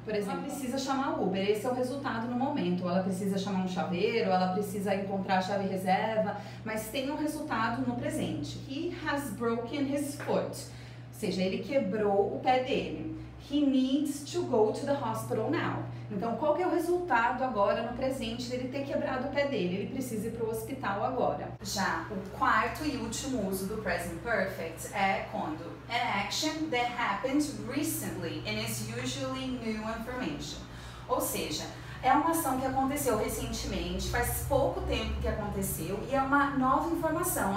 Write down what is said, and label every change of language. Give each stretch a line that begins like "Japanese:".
Portuguese: Por exemplo, ela precisa chamar o Uber. Esse é o resultado no momento. Ela precisa chamar um chaveiro, ela precisa encontrar a chave reserva. Mas tem um resultado no presente.
English: He has broken his foot.
Portuguese: Ou seja, ele quebrou o pé dele.
English: He needs to go to the hospital now.
Portuguese: Então, qual que é o resultado agora no presente dele ter quebrado o pé dele? Ele precisa ir pro hospital agora. Já o quarto e último uso do present perfect é quando
English: an action that happened recently and is usually new information.
Portuguese: Ou seja, é uma ação que aconteceu recentemente, faz pouco tempo que aconteceu e é uma nova informação.